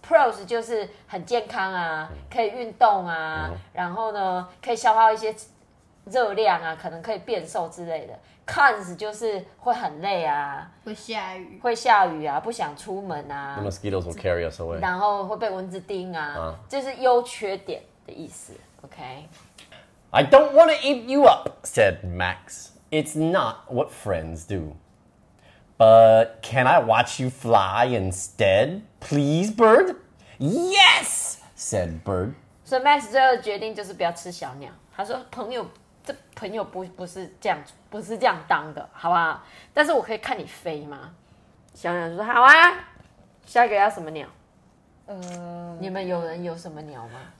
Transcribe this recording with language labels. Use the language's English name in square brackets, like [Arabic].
[Chinese] pros 就是很健康啊，可以运动啊，然后呢，可以消耗一些热量啊，可能可以变瘦之类的。 cons 就是会很累啊，会下雨啊，不想出门啊。 [English] The mosquitoes will carry us away。 [Chinese] 然后会被蚊子叮啊，就是优缺点的意思。 [English] OK。 I don't want to eat you up," said Max. It's not what friends do. But can I watch you fly instead, please, bird? Yes, said bird. [Chinese] So Max 最后决定就是不要吃小鸟。他说朋友，这朋友 不是这样当的，好不好？但是我可以看你飞吗？小鸟说好啊。下一个要什么鸟？你们有人有什么鸟吗？